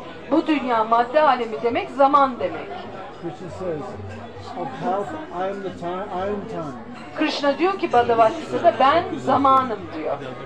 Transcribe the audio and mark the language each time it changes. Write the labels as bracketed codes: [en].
[tr] Bu dünya madde alemi demek zaman demek. [en] Krishna says, of health, I am the time, I am time. [tr] Krishna diyor ki Bhagavad-gita'da ben zamanım diyor.